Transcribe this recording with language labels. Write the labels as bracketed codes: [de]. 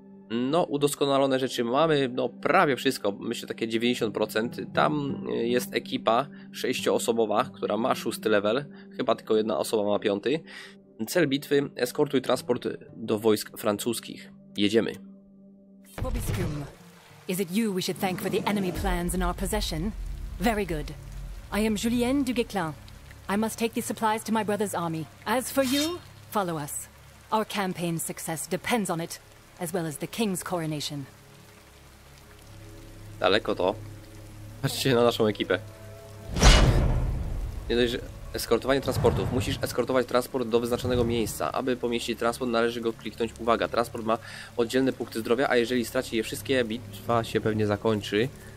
[pl] No, udoskonalone rzeczy mamy, no prawie wszystko, myślę takie 90%. Tam jest ekipa 6-osobowa, która ma 6 level, chyba tylko jedna osoba ma 5. Cel bitwy, eskortuj transport do wojsk francuskich. Jedziemy. [en] Bobiscum, is it you we should thank for the enemy plans in our possession? Very good. I am Julienne du Guesclin. I must take these supplies to my brother's army. As for you, follow us. Our campaign's success depends on it, as well as the king's coronation. [pl] Daleko to. Patrzcie na naszą ekipę. Nie dość, że... Eskortowanie transportów. Musisz eskortować transport do wyznaczonego miejsca. Aby pomieścić transport, należy go kliknąć. Uwaga, transport ma oddzielne punkty zdrowia, a jeżeli straci je wszystkie, bitwa się pewnie zakończy.